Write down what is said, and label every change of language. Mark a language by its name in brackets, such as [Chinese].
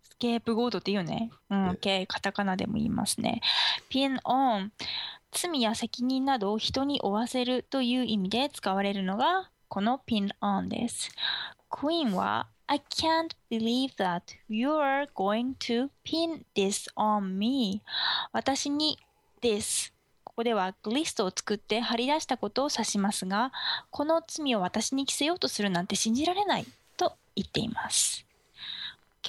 [Japanese] ケープゴードって言うね、カタカナでも言いますね。ピンオン、罪や責任などを人に負わせるという意味で使われるのがこのピンオンです。 [English] クイーンは I can't believe that you're going to pin this on me. [Japanese] 私に this、 ここではリストを作って貼り出したことを指しますが、この罪を私に着せようとするなんて信じられないと言っています。OK、